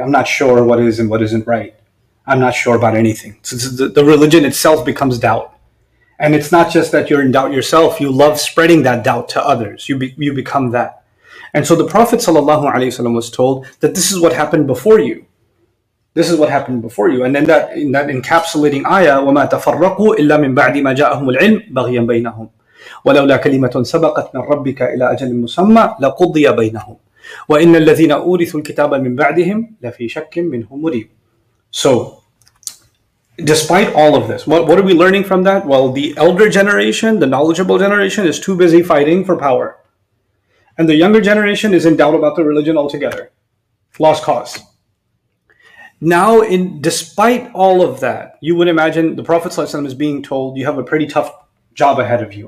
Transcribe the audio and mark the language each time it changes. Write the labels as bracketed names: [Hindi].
[English] I'm not sure what is and what isn't right. I'm not sure about anything. So the religion itself becomes doubt. And it's not just that you're in doubt yourself. You love spreading that doubt to others. You become that. And so the Prophet ﷺ was told that this is what happened before you. This is what happened before you. And then in that encapsulating ayah, [Arabic] وَمَا تَفَرَّقُوا إِلَّا مِنْ بَعْدِ مَا جَاءَهُمُ الْعِلْمُ بَغْيًا بَيْنَهُمْ وَلَوْلَا كَلِمَةٌ سَبَقَتْ مِنْ رَبِّكَ إِلَىٰ أَجَلٍ مُسَمَّى لَقُضِيَ بَيْنَهُمْ وَإِنَّ الَّذِينَ أُورِثُوا الْكِتَابَ مِنْ بَعْدِهِمْ لَفِي شَكٍّ مِنْهُ مُرِيبٍ. [English] So, despite all of this, what are we learning from that? Well, the elder generation, the knowledgeable generation, is too busy fighting for power. And the younger generation is in doubt about the religion altogether. Lost cause. Now, despite all of that, you would imagine the Prophet ﷺ is being told, you have a pretty tough job ahead of you.